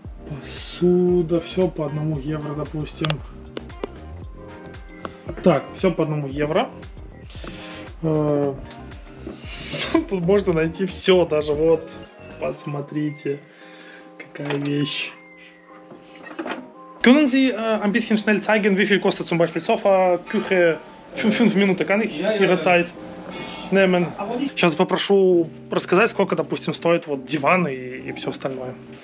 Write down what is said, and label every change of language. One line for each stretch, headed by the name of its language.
Russian: Посуда, все по 1 евро, допустим. Так, все по 1 евро. Тут можно найти все, даже вот, посмотрите, какая вещь.
German: Können Sie ein bisschen schnell zeigen, wie viel kostet zum Beispiel Sofa, Küche?
Russian: 5 минут,
German: kann ich Ihre Zeit nehmen?
Russian: Сейчас попрошу рассказать, сколько, допустим, стоит вот диван и все остальное.